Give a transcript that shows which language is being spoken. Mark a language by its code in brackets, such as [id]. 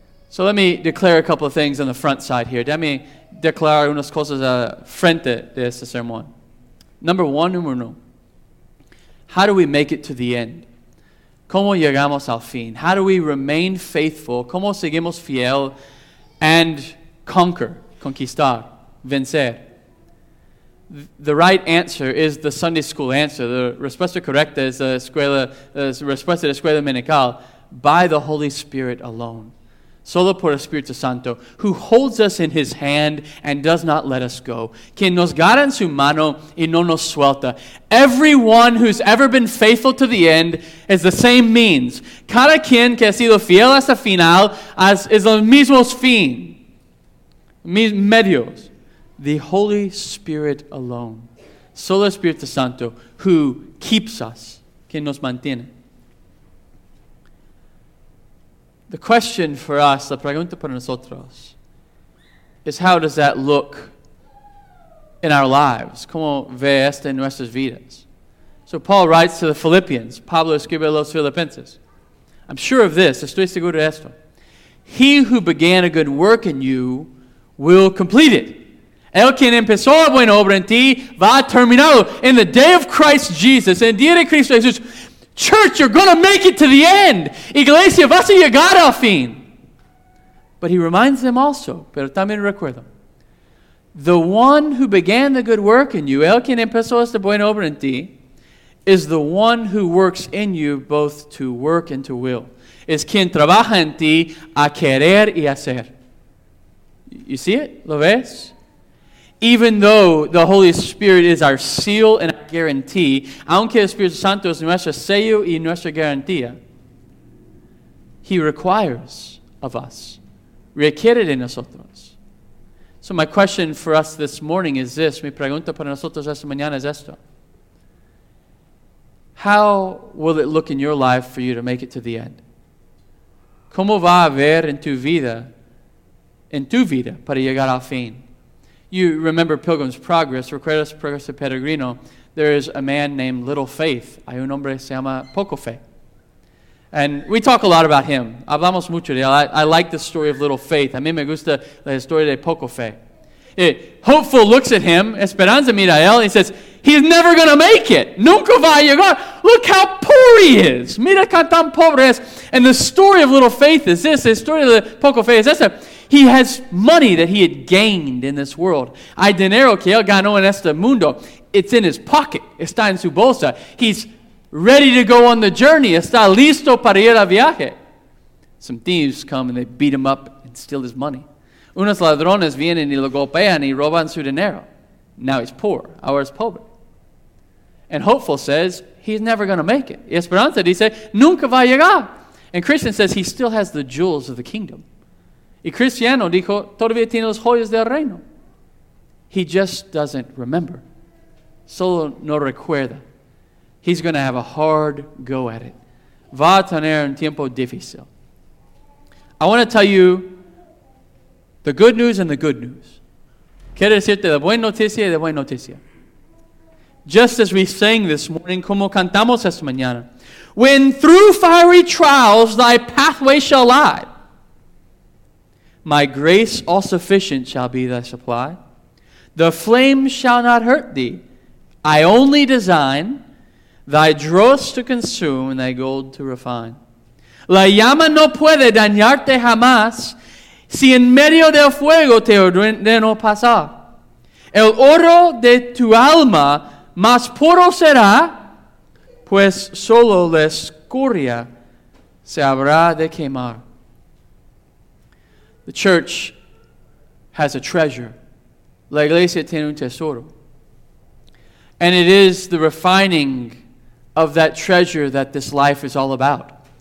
[en] So let me declare a couple of things on the front side here. Let me [es] declarar unas cosas a frente de este sermón. [en] Number one, [es] número uno. [en] How do we make it to the end? [es] ¿Cómo llegamos al fin? [en] How do we remain faithful? [es] ¿Cómo seguimos fiel [en] and conquer, [es] conquistar, vencer? [en] The right answer is the Sunday school answer. [es] The respuesta correcta es la respuesta de escuela dominical. [en] By the Holy Spirit alone. [es] Solo por Espíritu Santo, [en] who holds us in his hand and does not let us go. [es] Quien nos guarda en su mano y no nos suelta. [en] Everyone who's ever been faithful to the end is the same means. [es] Cada quien que ha sido fiel hasta final es el mismo fin. Medios. [en] The Holy Spirit alone. [es] Solo Espíritu Santo, [en] who keeps us. [es] Quien nos mantiene. [en] The question for us, [es] la pregunta para nosotros, [en] is how does that look in our lives? [es] ¿Cómo ve esto en nuestras vidas? [en] So Paul writes to the Philippians. [es] Pablo escribe a los Filipenses. [en] I'm sure of this. [es] Estoy seguro de esto. [en] He who began a good work in you will complete it. [es] El quien empezó la buena obra en ti va a terminarlo. [en] In the day of Christ Jesus, [es] en el día de Cristo Jesús, [en] church, you're going to make it to the end. [es] Iglesia, vas a llegar al fin. [en] But he reminds them also, [es] pero también recuerdo, [en] the one who began the good work in you, [es] el quien empezó esta buena obra en ti, [en] is the one who works in you both to work and to will. [es] Es quien trabaja en ti a querer y hacer. [en] You see it? [es] ¿Lo ves? [en] Even though the Holy Spirit is our seal and our guarantee, [es] aunque el Espíritu Santo es nuestro sello y nuestra garantía, [en] he requires of us, [es] requiere de nosotros. [en] So my question for us this morning is this, [es] mi pregunta para nosotros esta mañana es esto. [en] How will it look in your life for you to make it to the end? [es] ¿Cómo va a ver en tu vida para llegar al fin? [en] You remember Pilgrim's Progress, [es] Recuerdos Progreso Peregrino. [en] There is a man named Little Faith. [es] Hay un hombre que se llama Poco Fe. [en] And we talk a lot about him. [es] Hablamos mucho de él. [en] I like the story of Little Faith. [es] A mí me gusta la historia de Poco Fe. [en] Hopeful looks at him, [es] Esperanza mira a él, [en] and he says, he's never going to make it. [es] Nunca va a llegar. [en] Look how poor he is. [es] Mira que tan pobre es. [en] And the story of Little Faith is this. The story of Poco Fe is this. He has money that he had gained in this world. [es] Hay dinero que él ganó en este mundo. [en] It's in his pocket. [es] Está en su bolsa. [en] He's ready to go on the journey. [es] Está listo para ir al viaje. [en] Some thieves come and they beat him up and steal his money. [es] Unos ladrones vienen y lo golpean y roban su dinero. [en] Now he's poor. [es] Ahora es pobre. [en] And Hopeful says he's never going to make it. [es] Y Esperanza dice, nunca va a llegar. [en] And Christian says he still has the jewels of the kingdom. [es] Y Cristiano dijo, todavía tiene los joyas del reino. [en] He just doesn't remember. [es] Solo no recuerda. [en] He's going to have a hard go at it. [es] Va a tener un tiempo difícil. [en] I want to tell you the good news and the good news. [es] Quiero decirte la buena noticia y la buena noticia. [en] Just as we sang this morning, [es] como cantamos esta mañana. [en] When through fiery trials thy pathway shall lie, my grace all sufficient shall be thy supply. The flame shall not hurt thee, I only design thy dross to consume and thy gold to refine. [es] La llama no puede dañarte jamás si en medio del fuego te ordeno pasar. El oro de tu alma más puro será, pues solo la escoria se habrá de quemar. [en] The church has a treasure. [es] La iglesia tiene un tesoro. [en] And it is the refining of that treasure that this life is all about.